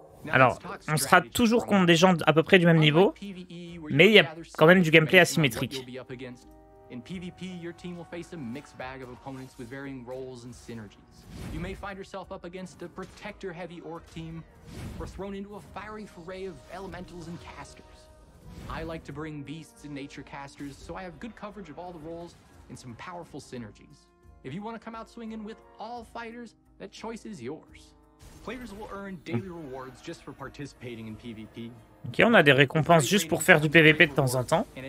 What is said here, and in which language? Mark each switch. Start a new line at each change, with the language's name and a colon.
French: Alors, on sera toujours contre des gens à peu près du même niveau, mais il y a quand même du gameplay asymétrique.
English: In PvP, your team will face a mixed bag of opponents with varying roles and synergies. You may find yourself up against a protector heavy orc team, or thrown into a fiery foray of elementals and casters. I like to bring beasts and nature casters, so I have good coverage of all the roles and some powerful synergies. If you want to come out swinging with all fighters, that choice is yours. Players will earn daily rewards just for participating in PvP.
French: Ok, on a des récompenses juste pour faire du PVP de temps en temps.